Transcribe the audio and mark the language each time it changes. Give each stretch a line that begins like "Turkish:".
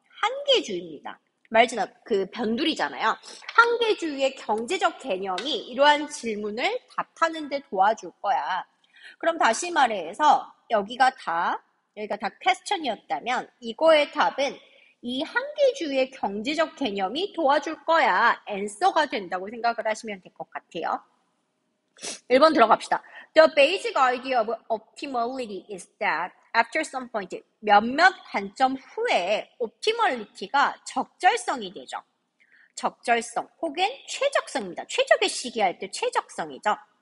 Korean: 한계주의입니다. 말지나 그 변두리잖아요. 한계주의의 경제적 개념이 이러한 질문을 답하는 데 도와줄 거야. 그럼 다시 말해서 여기가 다 퀘스천이었다면 이거의 답은 이 한계주의의 경제적 개념이 도와줄 거야. 앤서가 된다고 생각을 하시면 될것 같아요. 1번 들어갑시다.
English: The basic idea of optimality is that after some point,
Korean: 몇몇 관점 후에 optimality가 적절성이 되죠. 적절성 혹은 최적성입니다. 최적의 시기할 때 최적성이죠.